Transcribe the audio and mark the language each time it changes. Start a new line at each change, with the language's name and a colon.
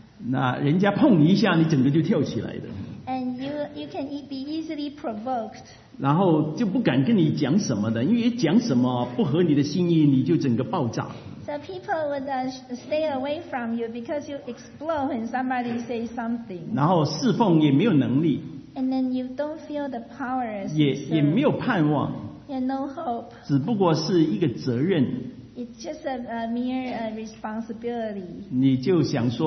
Chinese: 那人家碰你一下，你整个就跳起来的。
English: And you can be easily provoked.
Chinese: 然后就不敢跟你讲什么的，因为讲什么不合你的心意，你就整个爆炸。
English: So people would stay away from you because you explode when somebody says something.
Chinese: 然后侍奉也没有能力。
English: And then you don't feel the power.
Chinese: 也没有盼望。
English: And no hope.
Chinese: 只不过是一个责任。
English: It's just a mere responsibility.